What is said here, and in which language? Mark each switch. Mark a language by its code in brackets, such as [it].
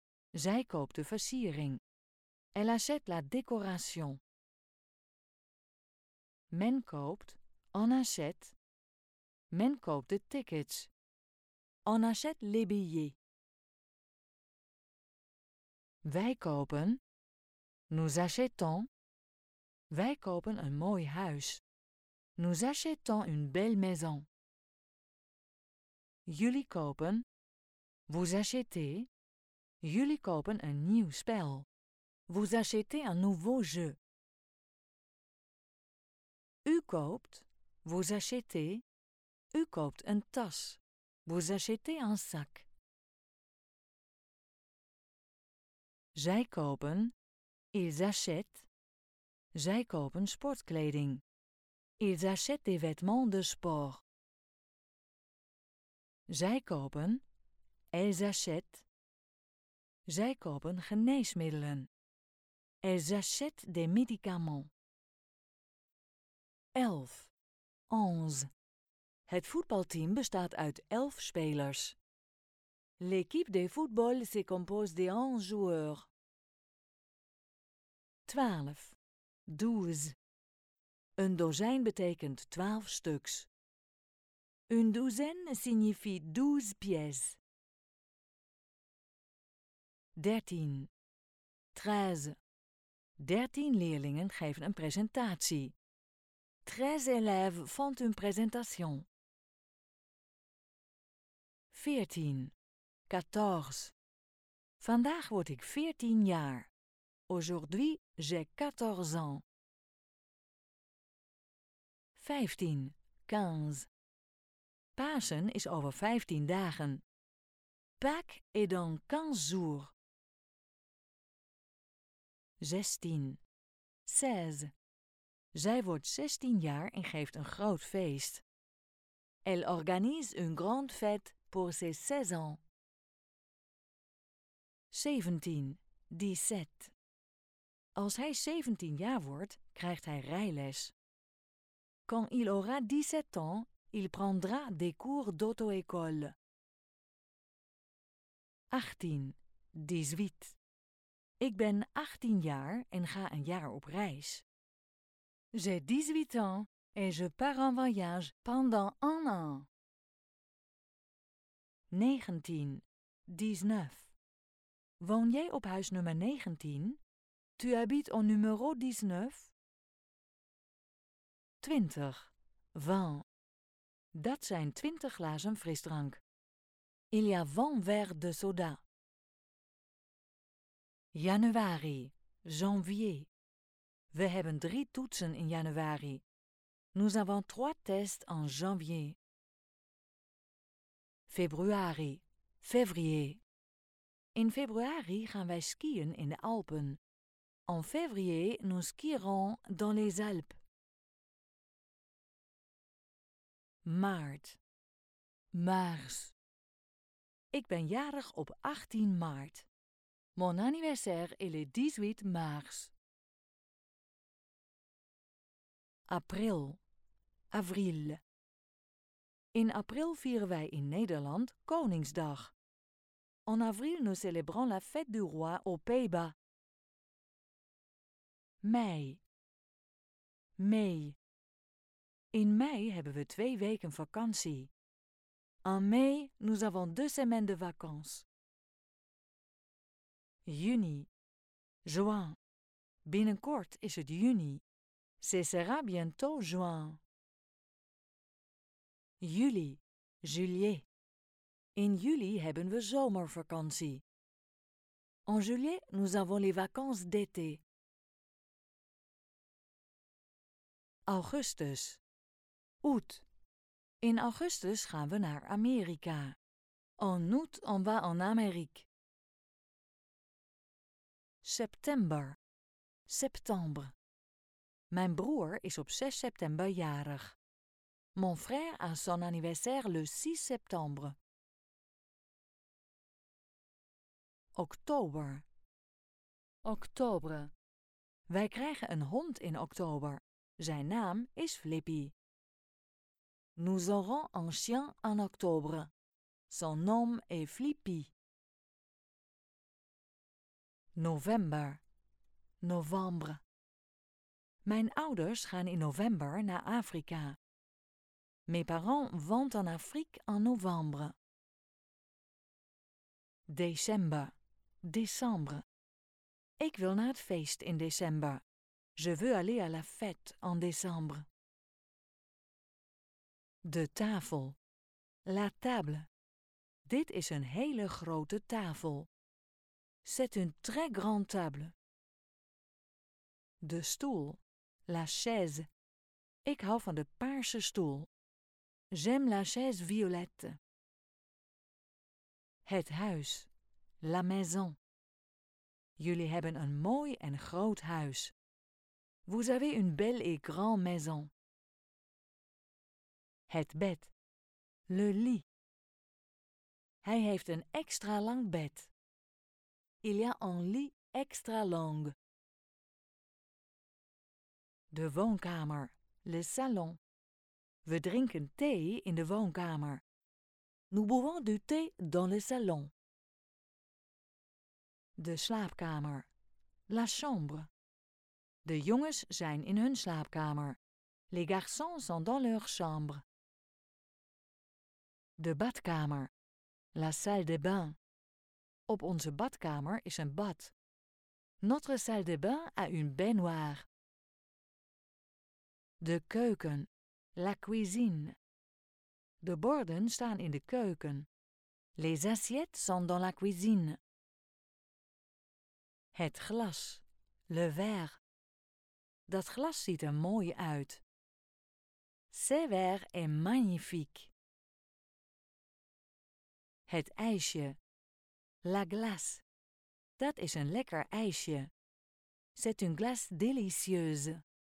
[nl] Zij koopt de versiering. [fr] Elle achète la décoration. [nl] Men koopt, [fr] on achète. [nl] Men koopt de tickets. [fr] On achète les billets. [nl] Wij kopen, [fr] nous achetons. [nl] Wij kopen een mooi huis. [fr] Nous achetons une belle maison. [nl] Jullie kopen, [fr] vous achetez. [nl] Jullie kopen een nieuw spel. [fr] Vous achetez un nouveau jeu. [nl] U koopt, [fr] vous achetez. [nl] U koopt een tas. [fr] Vous achetez un sac. [nl] Zij kopen, [fr] ils achètent. [nl] Zij kopen sportkleding. [fr] Ils achètent des vêtements de sport. [nl] Zij kopen, [fr] elles achètent. [nl] Zij kopen geneesmiddelen. [fr] Elles achètent des médicaments. 11. 11. [nl] Het voetbalteam bestaat uit 11 spelers. [fr] L'équipe de football se compose de 11 joueurs. 12. 12. [nl] Een dozijn betekent 12 stuks. [fr] Une douzaine signifie 12 pièces. 13. 13. [nl] 13 leerlingen geven een presentatie. [fr] 13 élèves font une présentation. [nl] 14. 14. Vandaag word ik 14 jaar. [fr] Aujourd'hui, j'ai 14 ans. [nl] 15. 15. Pasen is over 15 dagen. [fr] Pâques est dans 15 jours. 16. 16. [nl] Zij wordt 16 jaar en geeft een groot feest. [fr] Elle organise une grande fête pour ses 16 ans. 17. 17. [nl] Als hij 17 jaar wordt, krijgt hij rijles. [fr] Quand il aura 17 ans, il prendra des cours d'auto-école. 18. 18. [nl] Ik ben 18 jaar en ga een jaar op reis. [fr] J'ai 18 ans et je pars en voyage pendant un an. 19. [nl] 19. Woon jij op huis nummer 19? [fr] Tu habites au numéro 19? 20. 20. [nl] Dat zijn 20 glazen frisdrank. [fr] Il y a 20 verres de soda. [nl] Januari. Janvier. We hebben 3 toetsen in januari. [fr] Nous avons 3 tests en janvier. [nl] Februari. Février. In februari gaan wij skiën in de Alpen. [fr] En février, nous skierons dans les Alpes. [nl] Maart. Mars. Ik ben jarig op 18 maart. [fr] Mon anniversaire est le 18 mars. [nl] April. Avril. In april vieren wij in Nederland Koningsdag. [fr] En avril, nous célébrons la fête du roi aux Pays-Bas. [nl] Mei. Mei. In mei hebben we 2 weken vakantie. [fr] En mei, nous avons 2 semaines de vacances. [nl] Juni. Juin. Binnenkort is het juni. [fr] Ce sera bientôt juin. [nl] Juli. Juillet. In juli hebben we zomervakantie. [fr] En juillet, nous avons les vacances d'été. [nl] Augustus. Août. In augustus gaan we naar Amerika. [fr] En août, on va en Amérique. September. septembre. [nl] Mijn broer is op 6 september jarig. [fr] Mon frère a son anniversaire le 6 septembre. [nl] Oktober. Oktober. Wij krijgen een hond in oktober. Zijn naam is Flippy. [fr] Nous aurons un chien en octobre. Son nom est Flippy. [nl] November. [fr] Novembre. [nl] Mijn ouders gaan in november naar Afrika. [fr] Mes parents vont en Afrique en novembre. [nl] December. [fr] Décembre. [nl] Ik wil naar het feest in december. [fr] Je veux aller à la fête en décembre. [nl] De tafel. [fr] La table. [nl] Dit is een hele grote tafel. [fr] C'est une très grande table. [nl] De stoel. [fr] La chaise. [nl] Ik hou van de paarse stoel. [fr] J'aime la chaise violette. [nl] Het huis. [fr] La maison. [nl] Jullie hebben een mooi en groot huis. [fr] Vous avez une belle et grande maison. [nl] Het bed. [fr] Le lit. [nl] Hij heeft een extra lang bed. [fr] Il y a un lit extra long. [nl] De woonkamer. [fr] Le salon. [nl] We drinken thee in de woonkamer. [fr] Nous buvons du thé dans le salon. [nl] De slaapkamer. [fr] La chambre. [nl] De jongens zijn in hun slaapkamer. [fr] Les garçons sont dans leur chambre. [nl] De badkamer. [fr] La salle de bain. [nl] Op onze badkamer is een bad. [fr] Notre salle de bain a une baignoire. [nl] De keuken. [fr] La cuisine. [nl] De borden staan in de keuken. [fr] Les assiettes sont dans la cuisine. [nl] Het glas. [fr] Le verre. [nl] Dat glas ziet er mooi uit. [fr] Ce verre est magnifique. [nl] Het ijsje. [fr] La glace. [nl] Dat is een lekker ijsje. [fr] C'est une glace délicieuse.